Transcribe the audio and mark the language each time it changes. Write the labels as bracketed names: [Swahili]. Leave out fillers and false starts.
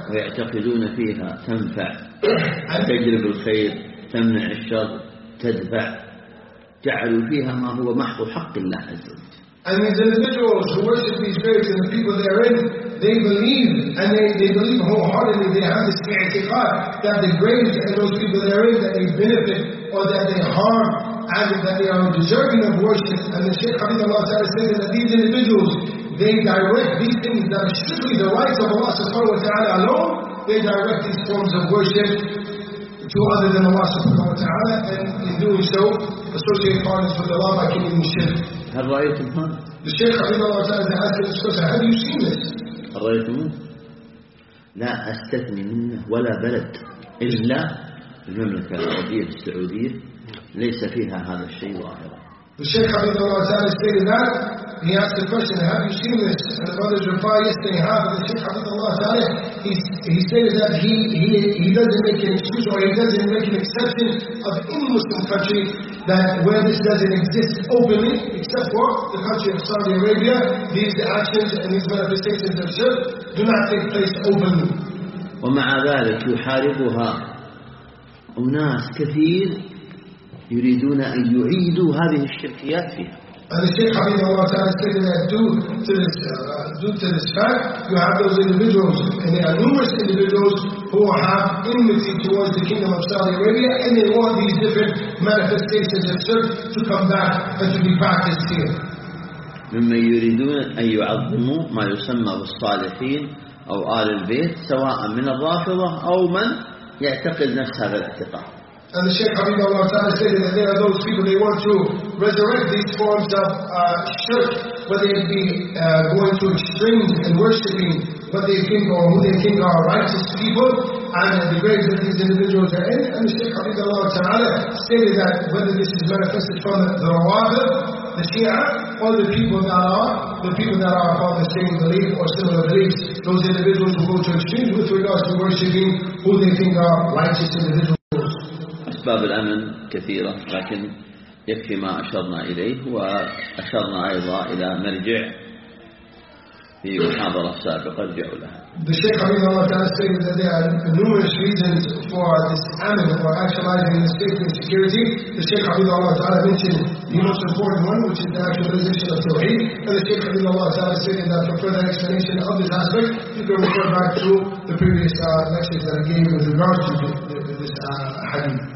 [Arabic] ويعتقدون فيها تنفع تجلب الخير تمنع الشر تدفع جعلوا فيها ما هو محض حق الله عز وجل. [English] And these individuals who worship these graves and the people therein, they believe, and they believe wholeheartedly, they have this i'tiqad that the graves and those people therein, that they benefit or that they harm, and that they are deserving of worship. And the Shaykh Habibullah Zahra stated that these individuals, they direct these things that are strictly the rights of Allah subhanahu wa ta'ala alone. They direct these forms of worship to other than Allah subhanahu wa ta'ala, and in doing so, associate partners with Allah by committing shirk. [Arabic] هل رأيتم هذا؟ [English] The Shaykh Habibullah Zahra asked this question, have you seen this? [Arabic] هل رأيتم هذا؟ لا أستثني منه ولا بلد إلا المملكة العربية السعودية ليس فيها هذا الشيء ظاهرا. [English] The Shaykh Habibullah Zahra stated that. He asked the question, have you seen this? And the brothers replied, yes, they have. And the Shaykh Habibullah Zahra, he stated that he doesn't make an excuse or he doesn't make an exception of any Muslim country that where this doesn't exist openly, except for the country of Saudi Arabia, these actions and these manifestations of shirk do not take place openly. [Arabic] ومع ذلك يحاربها أناس كثير يريدون أن يعيدوا هذه الشركيات فيها. [English] And the Shaykh Habibullah Zahra stated that due to this fact, you have those individuals, and there are numerous individuals who have enmity towards the Kingdom of Saudi Arabia, and they want these different manifestations of shirk to come back and to be practiced here. [Arabic] مما يريدون أن يعظموا ما يسمى بالصالحين أو آل البيت سواء من الرافضة أو من يعتقد نفسها بالاعتقاد. [English] And the Shaykh Habibullah Zahra stated that there are those people they want to resurrect these forms of shirk, whether it be going to extremes and worshipping what they think or who they think are righteous people, and the graves that these individuals are in. And the Shaykh Habibullah Zahra stated that whether this is manifested from the Rawadah, the Shia, or the people that are of the same belief or similar beliefs, those individuals who go to extremes with regards to worshipping who they think are righteous individuals. [Arabic] أسباب الأمن كثيرة، لكن يكفي ما أشرنا إليه، وأشرنا أيضا إلى مرجع في محاضرة سابقة رجعوا لها. [English] The Shaykh Habibullah Zahra stated that there are numerous reasons for this amen or actualizing the state of security. The Shaykh Habibullah Zahra mentioned the most important one, which is the actual position of Tawheed. And the Shaykh Habibullah Zahra stated that for further explanation of this aspect, you can refer back to the previous lectures that I gave with regards to this hadith.